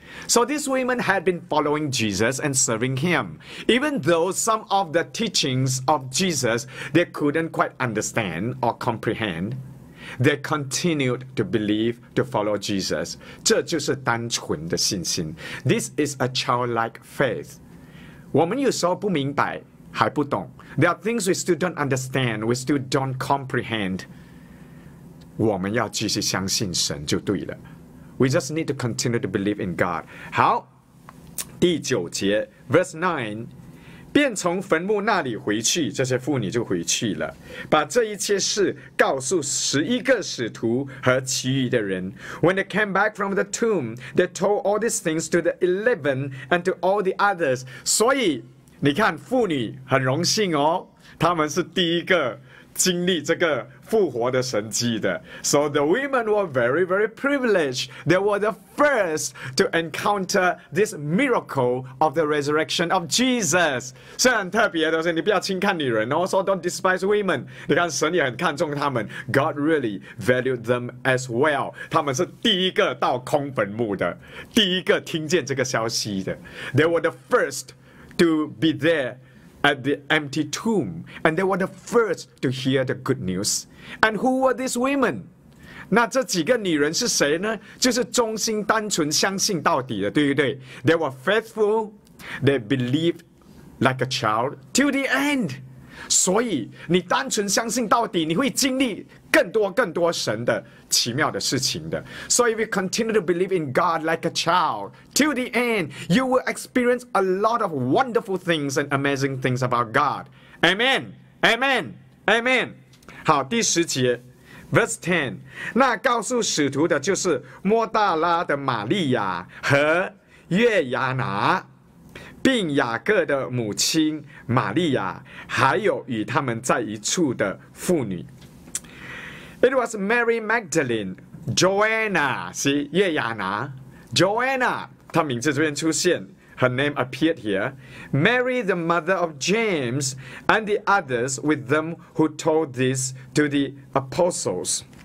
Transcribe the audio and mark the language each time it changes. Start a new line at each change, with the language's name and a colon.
English: So these women had been following Jesus and serving him, even though some of the teachings of Jesus they couldn't quite understand or comprehend, they continued to believe to follow Jesus.
Chinese: 这就是单纯的信心。
English: This is a childlike faith.
Chinese: 我们有时候不明白，还不懂。
English: There are things we still don't understand, we still don't comprehend.
Chinese: 我们要继续相信神就对了。
English: We just need to continue to believe in God.
Chinese: 好，第九节 ，verse 9， 便从坟墓那里回去，这些妇女就回去了，把这一切事告诉十一个使徒和其余的人。
English: When they came back from the tomb, they told all these things to the 11 and to all the others.
Chinese: 所以你看，妇女很荣幸哦，他们是第一个。经历这个复活的神迹的
English: So the women were very, very privileged. They were the first to encounter this miracle of the resurrection of Jesus.
Chinese: 虽然特别的是你不要轻看女人
English: Also don't despise women.
Chinese: 你看神也很看重他们
English: God really valued them as well.
Chinese: 他们是第一个到空坟墓的第一个听见这个消息的
English: They were the first to be thereAt the empty tomb, and they were the first to hear the good news. And who were these women?
Chinese: 那这几个女人是谁呢？就是忠心单纯相信到底的，对不对 ？
English: They were faithful. They believed like a child till the end.
Chinese: 所以你单纯相信到底，你会经历更多更多神的奇妙的事情的。
English: So if you continue to believe in God like a child till the end, you will experience a lot of wonderful things and amazing things about God. Amen. Amen. Amen.
Chinese: 好，第十节 ，verse 10， 那告诉使徒的就是抹大拉的玛利亚和约亚拿，并雅各的母亲玛利亚，还有与他们在一处的妇女。
English: It was Mary Magdalene, Joanna, see, 月亚拿 Joanna,
Chinese: 她名字这边出现
English: her name appeared here, Mary, the mother of James, and the others with them who told this to the apostles.